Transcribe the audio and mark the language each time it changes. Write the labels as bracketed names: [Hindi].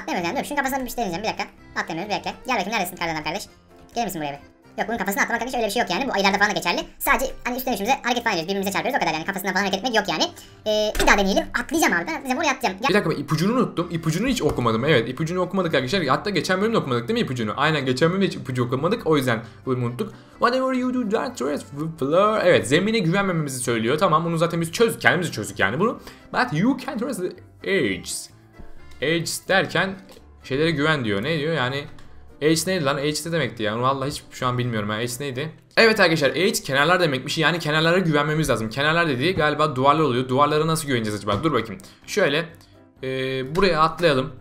[Turkish] Atlayamıyoruz yani. Dur, şunun kafasını bir şey deneyeceğim. Bir dakika. Atlayamıyoruz. Bir dakika. Gel bakayım, neredesin kardeşim, kardeş? Gelir misin buraya bir? Yok, bunun kafasını atlamak kardeş öyle bir şey yok yani. Bu ayılarda falan da geçerli. Sadece hani üstten üstümüze hareket falan ediyoruz. Birbirimize çarpıyoruz. O kadar yani. Kafasından falan hareket etmek yok yani. Bir daha deneyelim. Atlayacağım abi. Ben atlayacağım. Oraya atlayacağım. Bir dakika, ben ipucunu unuttum. İpucunu hiç okumadım. Evet, ipucunu okumadık arkadaşlar. Hatta geçen bölümde okumadık değil mi ipucunu? Aynen, geçen bölümde hiç ipucu okumadık. O yüzden bunu unuttuk. [English] Whatever you do, don't trust the floor. [Turkish] Evet, zemine güvenmememizi söylüyor. Tamam, bunu zaten biz çözdük. Kendimizi çözdük yani bunu. [English] But you can't trust the edges. [Turkish] Edges derken şeylere güven diyor. Ne diyor yani? H neydi lan? H ne demekti yani? Vallahi hiç şu an bilmiyorum. H neydi? Evet arkadaşlar, H kenarlar demekmiş. Yani kenarlara güvenmemiz lazım. Kenarlar dediği galiba duvarlar oluyor. Duvarlara nasıl güveneceğiz acaba? Dur bakayım. Şöyle. Buraya atlayalım.